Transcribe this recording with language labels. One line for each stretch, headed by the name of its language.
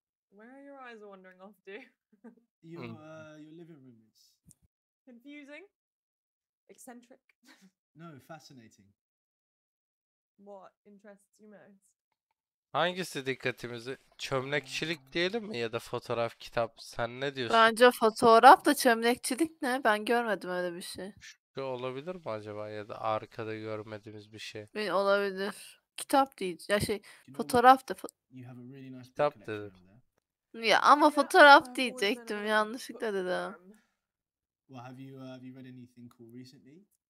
English: Where are your eyes wandering off to? Your living room is... Confusing? Eccentric? No, fascinating. What interests you most?
Turkish: Hangisi dikkatimizi? Çömlekçilik diyelim mi ya da fotoğraf, kitap? Sen ne diyorsun? Bence fotoğraf da çömlekçilik ne? Ben görmedim öyle bir şey. Şu olabilir mi acaba ya da arkada görmediğimiz bir şey? Olabilir. kitap değil. Ya şey, fotoğraf da. Kitap dedi. Ya ama fotoğraf diyecektim, yanlışlıkla dedim.
English: Well, have you read anything cool recently?